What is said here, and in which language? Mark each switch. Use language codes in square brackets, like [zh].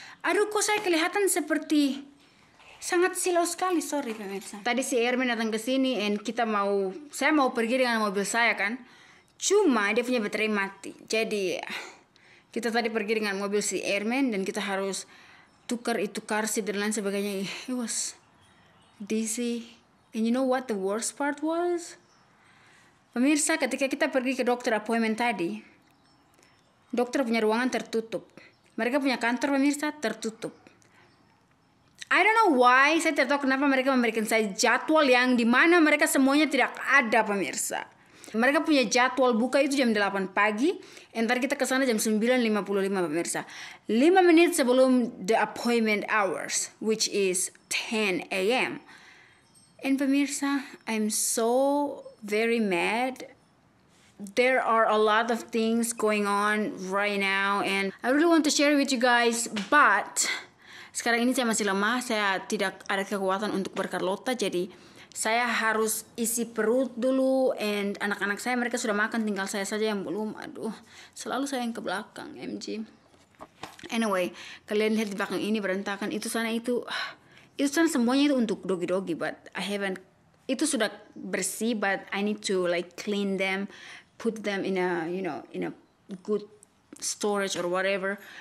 [id] Aduh, kok saya kelihatan seperti sangat silau sekali, sorry pemirsa. Tadi si airman datang ke sini and kita mau, saya mau pergi dengan mobil saya kan, cuma dia punya baterai mati. Jadi kita tadi pergi dengan mobil si airman dan kita harus tukar itu car seat dan lain sebagainya. [en] It was dizzy. And you know what the worst part was? [id] Pemirsa, ketika kita pergi ke dokter appointment tadi, dokter punya ruangan tertutup. Mereka punya kantor, pemirsa, tertutup. [en] I don't know why, [id] saya tidak tahu kenapa mereka memberikan saya jadwal yang di mana mereka semuanya tidak ada, pemirsa. Mereka punya jadwal buka itu jam 8 pagi. Entar kita ke sana jam 9.55, pemirsa. 5 menit sebelum [en] the appointment hours, which is 10 a.m. And pemirsa, I'm so very mad. There are a lot of things going on right now. And I really want to share with you guys. [id] But sekarang ini saya masih lemah. Saya tidak ada kekuatan untuk berkarlota, jadi saya harus isi perut dulu, and anak-anak saya mereka sudah makan, tinggal saya saja yang belum. Aduh, selalu saya yang ke belakang, MG. Anyway, kalian lihat di belakang ini berantakan, itu sana semuanya itu untuk dogi-dogi, [en] but I haven't, [id] itu sudah bersih, [en] but I need to like clean them, put them in a, you know, in a good storage or whatever.